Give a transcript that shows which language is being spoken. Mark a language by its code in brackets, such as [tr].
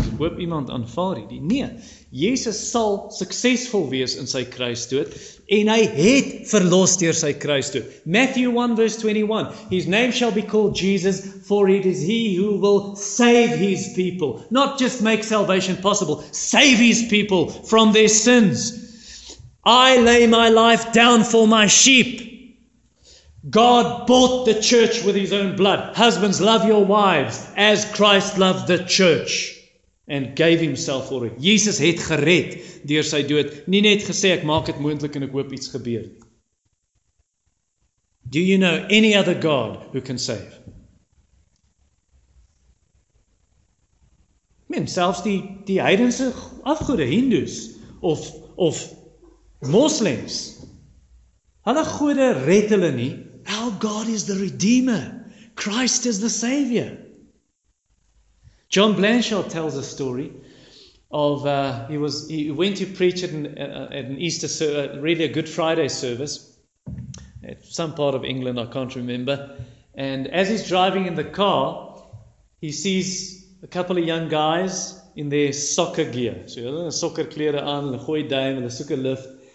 [af] Ek hoop iemand aanvaar hierdie. Nee, Jesus sal suksesvol wees in sy kruisdood en hy het verlos deur sy kruisdood. [en] Matthew 1 verse 21. His name shall be called Jesus, for it is he who will save his people. Not just make salvation possible, save his people from their sins. I lay my life down for my sheep. God bought the church with his own blood. Husbands, love your wives as Christ loved the church and gave himself for it. [af] Jesus het gered deur sy dood. Nie net gesê, ek maak het moontlik en ek hoop iets gebeur. [en] Do you know any other God who can save? [af] Men, selfs die heidense afgode, Hindus of Moslems, hulle gode red hulle nie. [en] Our God is the Redeemer. Christ is the Savior. John Blanchard tells a story of he went to preach at an Easter really a Good Friday service at some part of England, I can't remember. And as he's driving in the car, he sees a couple of young guys in their soccer gear. [af] So hulle het soccer klere aan, hulle gooi duim, hulle soek 'n lift.